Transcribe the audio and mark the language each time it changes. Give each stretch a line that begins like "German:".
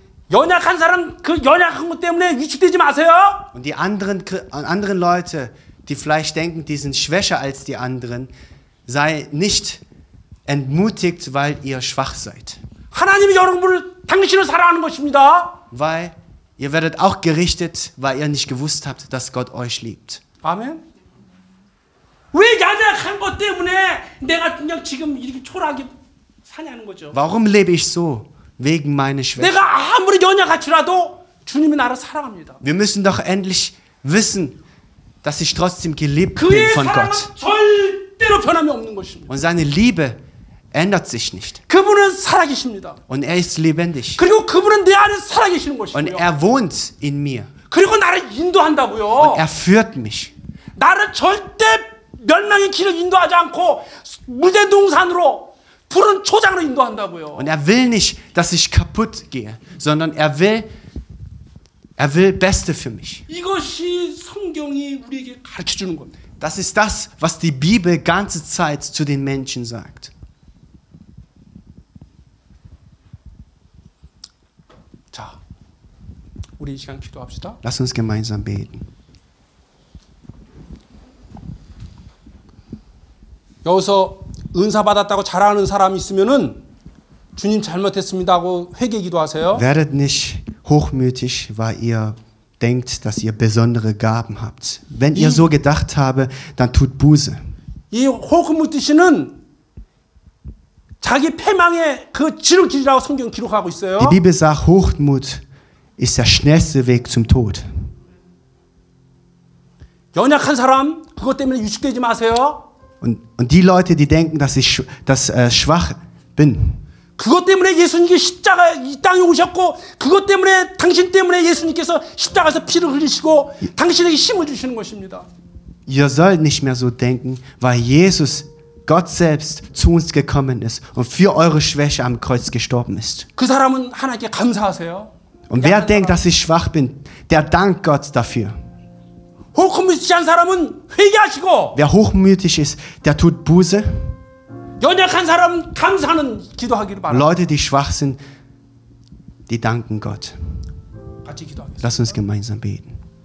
Korean: 연약한 사람 그 연약한 것 때문에 위축되지 마세요.
German: Und die anderen Leute, die vielleicht denken, die sind schwächer als die anderen, sei nicht entmutigt, weil ihr schwach seid.
Korean: 하나님이 여러분을 당신을 사랑하는 것입니다.
German: Weil ihr werdet auch gerichtet, weil ihr nicht gewusst habt, dass Gott euch liebt. Amen.
Korean: 왜 연약한 것 때문에 내가 그냥 지금 이렇게 초라하게 사냐는 거죠.
German: Warum lebe ich so? Wegen meiner Schwäche.
Korean: 내가 아무리 연약할지라도 주님이 나를 사랑합니다.
German: Wir müssen doch endlich wissen, dass ich trotzdem geliebt bin von Gott.
Korean: 그의 사랑은 절대로 변함이 없는 것입니다.
German: Und seine Liebe ändert sich nicht.
Korean: 그분은 살아계십니다.
German: Und er ist lebendig.
Korean: 그리고 그분은 내 안에 살아계시는 것이고요.
German: Und er wohnt in mir.
Korean: 그리고 나를 인도한다고요.
German: Und er führt mich.
Korean: 나를 절대 멸망의 길을 인도하지 않고 무대 동산으로 푸른 초장으로 인도한다고요.
German: Und er will nicht, dass ich kaputt gehe, sondern er will Beste für mich.
Korean: 이것이 성경이 우리에게 가르쳐 주는 겁니다.
German: Das ist das, was die Bibel ganze Zeit zu den Menschen sagt.
Korean: 자, 우리 이 시간 기도합시다.
German: Lass uns gemeinsam beten.
Korean: 여기서 은사 받았다고 자랑하는 사람이 있으면은 주님 잘못했습니다 하고 회개 기도하세요.
German: Werdet nicht hochmütig, weil ihr denkt, dass ihr besondere Gaben habt. Wenn ihr so gedacht habe, dann tut Buße.
Korean: 이 호흡묻듯이는 자기 패망의 그 지름길이라고 성경 기록하고 있어요.
German: Die Bibel sagt, Hochmut ist der schnellste Weg zum Tod.
Korean: 연약한 사람 그것 때문에 유축되지 마세요.
German: Und die Leute, die denken, dass ich schwach bin.
Korean: 그것 때문에 예수님이 십자가 이 땅에 오셨고 그것 때문에 당신 때문에 예수님께서 십자가에서 피를 흘리시고 당신에게 힘을 주시는 것입니다.
German: Ihr sollt nicht mehr so denken, weil Jesus Gott selbst zu uns gekommen ist und für eure Schwäche am Kreuz gestorben ist.
Korean: 그 사람은 하나님께 감사하세요.
German: Und wer denkt, dass ich schwach bin, der dankt Gott dafür.
Korean: 호흡묻지한 사람은 회개하시고
German: Wer hochmütig ist, der tut Buße.
Korean: 연약한 사람 감사하는 기도하기를 바랍니다.
German: Leute, die schwach sind, die danken Gott.
Korean: 같이 기도하겠습니다.
German: Lass uns gemeinsam beten.